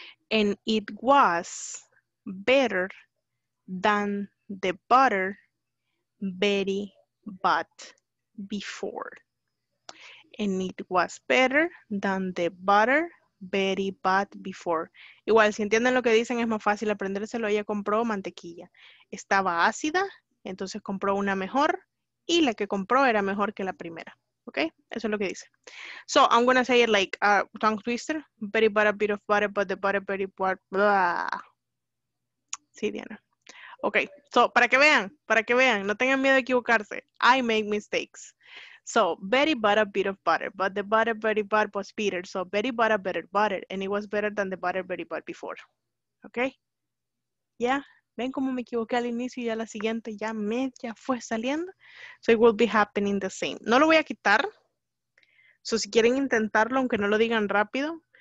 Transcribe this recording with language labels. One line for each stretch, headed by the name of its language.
English: And it was better than the butter Betty bought before. And it was better than the butter Betty bought before.
Spanish: Igual, si entienden lo que dicen, es más fácil aprendérselo. Ella compró mantequilla. Estaba ácida, entonces compró una mejor. Y la que compró era mejor que la primera. Okay, eso es lo que dice.
English: So I'm gonna say it like a tongue twister. Betty bought a bit of butter, but the butter Betty bought blah.
Spanish: Sí, Diana. Ok, so, para que vean, no tengan miedo de equivocarse.
English: I make mistakes. So, Betty bought a bit of butter, but the butter Betty bought was bitter. So, Betty bought a better butter, and it was better than the butter Betty bought before. Ok. Ya, yeah.
Spanish: Ven cómo me equivoqué al inicio y ya la siguiente ya media fue saliendo.
English: So, it will be happening the same.
Spanish: No lo voy a quitar. So, si quieren intentarlo, aunque no lo digan rápido.